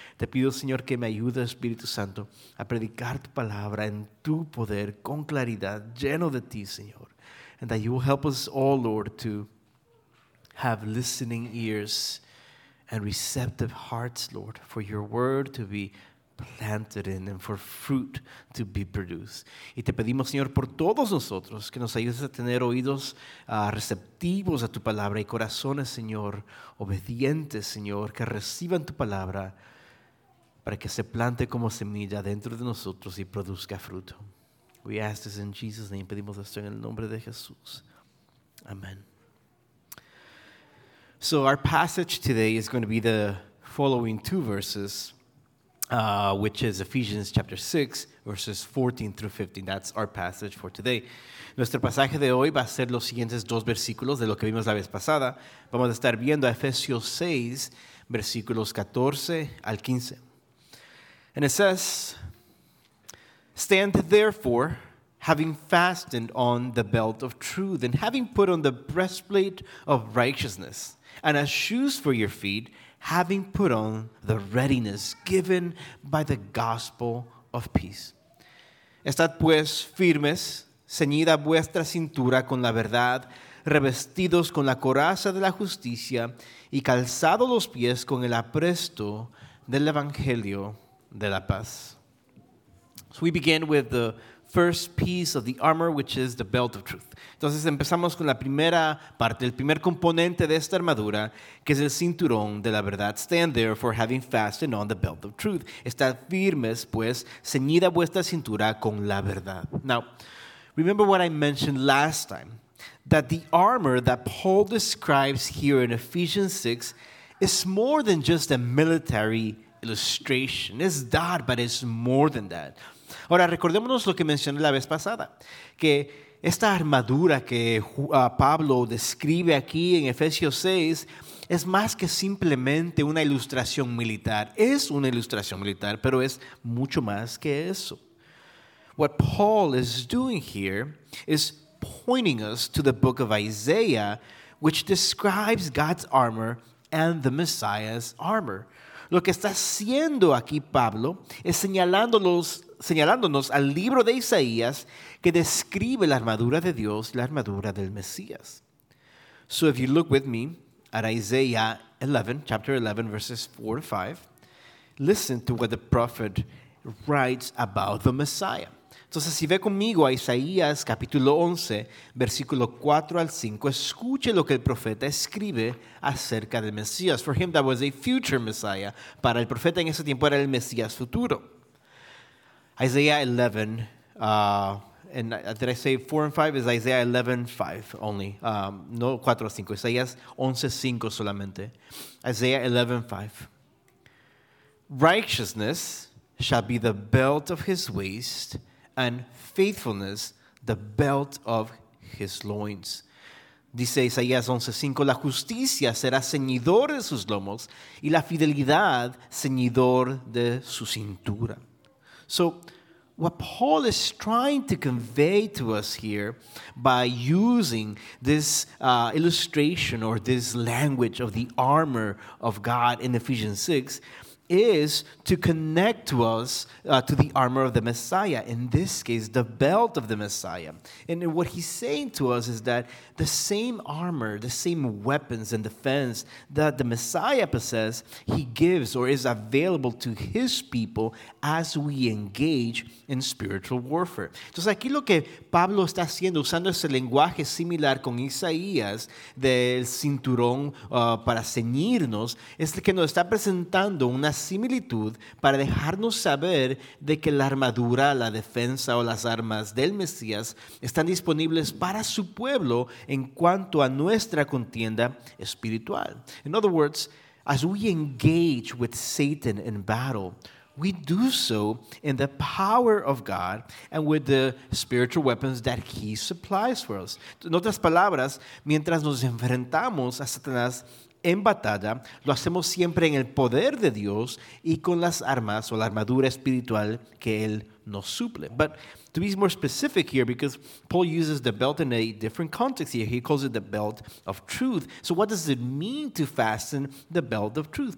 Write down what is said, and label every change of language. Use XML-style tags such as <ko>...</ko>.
<es>Te pido, Señor, que me ayude, Espíritu Santo, a predicar tu palabra en tu poder, con claridad, lleno de ti, Señor.</es> <en>And that you will help us all, Lord, to have listening ears and receptive hearts, Lord, for your word to be planted in and for fruit to be produced.</en> <es>Y te pedimos, Señor, por todos nosotros, que nos ayudes a tener oídos receptivos a tu palabra y corazones, Señor, obedientes, Señor, que reciban tu palabra para que se plante como semilla dentro de nosotros y produzca fruto.</es> <en>We ask this in Jesus' name.</en> <es>Pedimos esto en el nombre de Jesús. Amen.</es> <en>So our passage today is going to be the following two verses, which is Ephesians chapter 6, verses 14 through 15. That's our passage for today.</en> <es>Nuestro pasaje de hoy va a ser los siguientes dos versículos de lo que vimos la vez pasada. Vamos a estar viendo Ephesians 6, versículos 14 al 15.</es> <en>And it says, "Stand therefore, having fastened on the belt of truth, and having put on the breastplate of righteousness, and as shoes for your feet, having put on the readiness given by the gospel of peace.</en> <es>Estad pues firmes, ceñida vuestra cintura con la verdad, revestidos con la coraza de la justicia, y calzados los pies con el apresto del evangelio de la paz."</es> <en>So we begin with the first piece of the armor, which is the belt of truth.</en> <es>Entonces empezamos con la primera parte, el primer componente de esta armadura, que es el cinturón de la verdad.</es> <en>"Stand therefore, having fastened on the belt of truth."</en> <es>Estad firmes, pues, ceñida vuestra cintura con la verdad.</es> <en>Now, remember what I mentioned last time, that the armor that Paul describes here in Ephesians 6 is more than just a military illustration. It's that, but it's more than that.</en> <es>Ahora, recordémonos lo que mencioné la vez pasada, que esta armadura que Pablo describe aquí en Efesios 6 es más que simplemente una ilustración militar. Es una ilustración militar, pero es mucho más que eso.</es> <en>What Paul is doing here is pointing us to the book of Isaiah, which describes God's armor and the Messiah's armor.</en> <es>Lo que está haciendo aquí Pablo es señalándonos al libro de Isaías que describe la armadura de Dios, la armadura del Mesías.</es> <en>So if you look with me at Isaiah 11, chapter 11, verses 4 to 5, listen to what the prophet writes about the Messiah.</en> <es>Entonces, si ve conmigo a Isaías, capítulo 11, versículo 4 al 5, escuche lo que el profeta escribe acerca del Mesías.</es> <en>"For him that was a future Messiah."</en> <es>Para el profeta en ese tiempo era el Mesías futuro.</es> <en>Isaiah 11, did I say 4 and 5? Is Isaiah 11, 5 only.</en> <es>No 4 o 5, Isaías 11, 5 solamente.</es> <en>Isaiah 11, 5. "Righteousness shall be the belt of his waist, and faithfulness the belt of his loins."</en> <es>Dice Isaías 11, 5, "La justicia será ceñidor de sus lomos, y la fidelidad ceñidor de su cintura."</es> <en>So what Paul is trying to convey to us here by using this illustration or this language of the armor of God in Ephesians 6 is to connect to us to the armor of the Messiah, in this case, the belt of the Messiah. And what he's saying to us is that the same armor, the same weapons and defense that the Messiah possesses, he gives or is available to his people as we engage in spiritual warfare.</en> <es>Entonces, aquí lo que Pablo está haciendo, usando ese lenguaje similar con Isaías del cinturón para ceñirnos, es que nos está presentando una similitud para dejarnos saber de que la armadura, la defensa o las armas del Mesías están disponibles para su pueblo en cuanto a nuestra contienda espiritual.</es> <en>In other words, as we engage with Satan in battle, we do so in the power of God and with the spiritual weapons that he supplies for us.</en> <es>En otras palabras, mientras nos enfrentamos a Satanás en batalla, lo hacemos siempre en el poder de Dios y con las armas o la armadura espiritual que él nos suple.</es> <en>But to be more specific here, because Paul uses the belt in a different context here, he calls it the belt of truth. So what does it mean to fasten the belt of truth?</en>